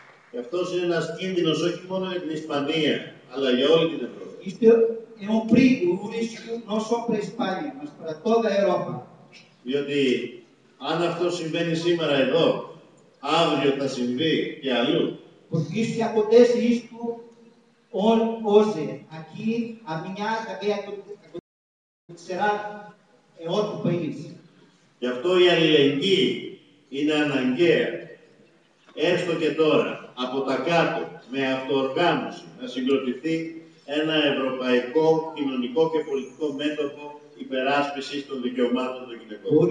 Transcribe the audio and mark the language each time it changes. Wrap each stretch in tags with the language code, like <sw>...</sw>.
<el>Και αυτός είναι ένας κίνδυνος όχι μόνο για την Ισπανία, αλλά για όλη την Ευρώπη.</el> <pt>Isto é um perigo, um risco, não só para a Espanha, mas para toda a Europa.</pt> <el>Διότι, αν αυτό συμβαίνει σήμερα εδώ, αύριο θα συμβεί και αλλού.</el> <pt>Porque isto acontece isto hoje, aqui, amanhã, também acontecerá em outro país.</pt> <el>Γι' αυτό η αλληλεγγύη είναι αναγκαία, έστω και τώρα, από τα κάτω, με αυτοοργάνωση, να συγκροτηθεί ένα ευρωπαϊκό, κοινωνικό και πολιτικό μέτωπο υπεράσπισης των δικαιωμάτων των γυναικών.</el>